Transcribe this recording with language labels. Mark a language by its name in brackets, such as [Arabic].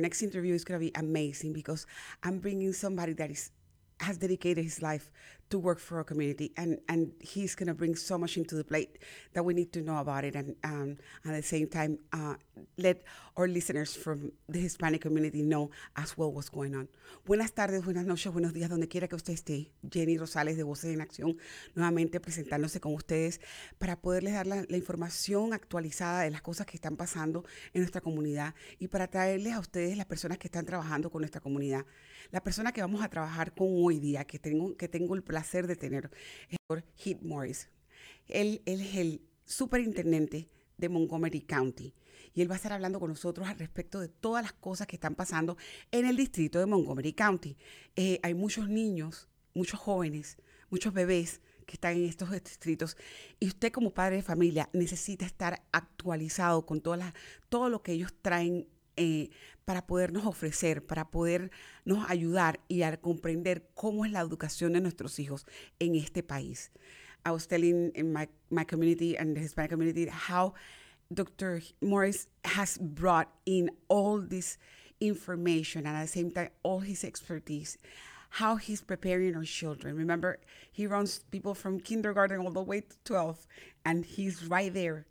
[English] Our next interview is going to be amazing because I'm bringing somebody that has dedicated his life to work for our community, and he's going to bring so much into the plate that we need to know about it, and at the same time, let our listeners from the Hispanic community know as well what's going on. [Spanish] Buenas tardes, buenas noches, buenos días, donde quiera que usted esté. Jenny Rosales de Voces en Acción, nuevamente presentándose con ustedes para poderles dar la información actualizada de las cosas que están pasando en nuestra comunidad y para traerles a ustedes las personas que están trabajando con nuestra comunidad. La persona que vamos a trabajar con hoy día, que tengo el placer de tener, es el Dr. Heath Morris. Él es el superintendente de Montgomery County. Y él va a estar hablando con nosotros al respecto de todas las cosas que están pasando en el distrito de Montgomery County. Hay muchos niños, muchos jóvenes, muchos bebés que están en estos distritos. Y usted como padre de familia necesita estar actualizado con todo lo que ellos traen para podernos ofrecer, para podernos ayudar y a comprender cómo es la educación de nuestros hijos en este país. [English] I was telling in my community and the Hispanic community how Dr. Morris has brought in all this information and at the same time all his expertise, how he's preparing our children. Remember, he runs people from kindergarten all the way to 12, and he's right there.